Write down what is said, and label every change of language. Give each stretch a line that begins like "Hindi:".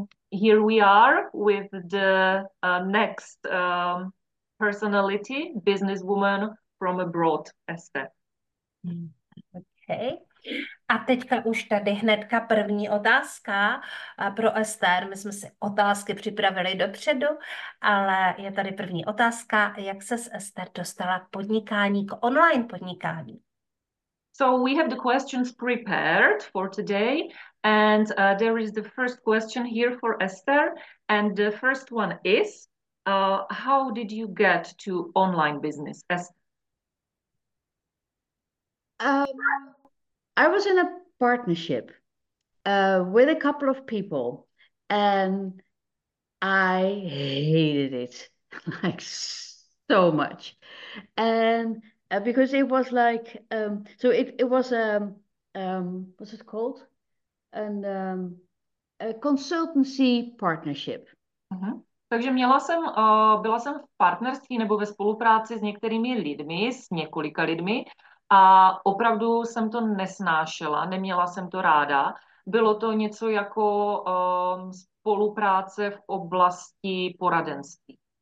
English: Here we are with the next personality, businesswoman from abroad, Esther. Okay.
Czech: A teďka už tady hnedka první otázka pro Ester. My jsme si otázky připravili dopředu, ale je tady první otázka, jak se s Ester dostala k podnikání, k online podnikání?
English: So we have the questions prepared for today and there is the first question here for Esther and the first one is how did you get to online business, Esther? I was in a partnership with a couple of people and I hated it like so much. And because it was like, so it was a, what's it called? And a consultancy partnership.
Czech: Takže měla jsem, byla jsem v partnerství nebo ve spolupráci s některými lidmi, s několika lidmi, a opravdu jsem to nesnášela, neměla jsem to ráda. Bylo to něco jako spolupráce v oblasti poradenství.